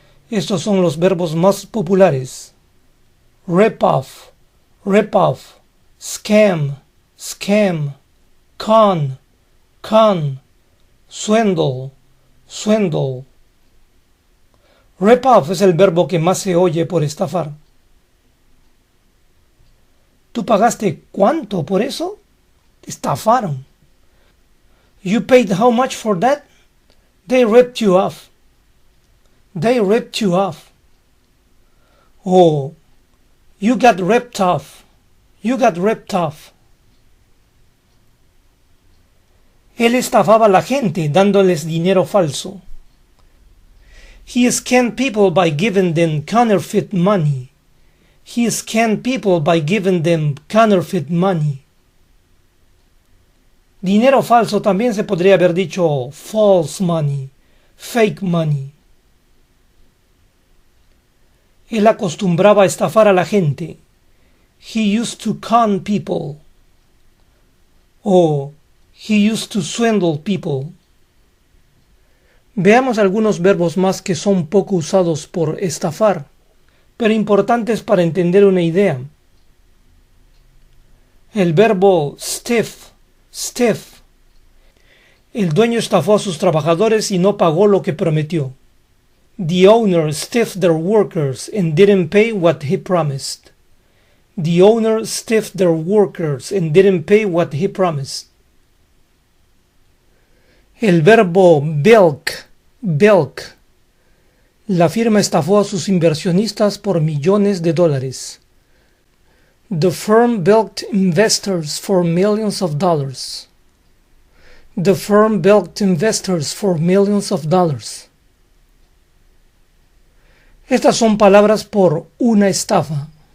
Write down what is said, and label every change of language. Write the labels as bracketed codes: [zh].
[es] Estos son los verbos más populares: rip off, rip off, scam, scam, con, con, swindle, swindle. Rip off es el verbo que más se oye por estafar. ¿Tú pagaste cuánto por eso? Te estafaron. [en] You paid how much for that? They ripped you off. They ripped you off. Oh, you got ripped off. You got ripped off. [es] Él estafaba a la gente dándoles dinero falso. [en] He scammed people by giving them counterfeit money. He scammed people by giving them counterfeit money. [es] Dinero falso también se podría haber dicho false money, fake money. Él acostumbraba a estafar a la gente. [en] He used to con people. Oh, he used to swindle people. [es] Veamos algunos verbos más que son poco usados por estafar, pero importantes para entender una idea. El verbo stiff, stiff. El dueño estafó a sus trabajadores y no pagó lo que prometió. [en] The owner stiffed their workers and didn't pay what he promised. The owner stiffed their workers and didn't pay what he promised. [es] El verbo bilk, bilk. La firma estafó a sus inversionistas por millones de dólares. [en] The firm bilked investors for millions of dollars. The firm bilked investors for millions of dollars. [es] Estas son palabras por una estafa.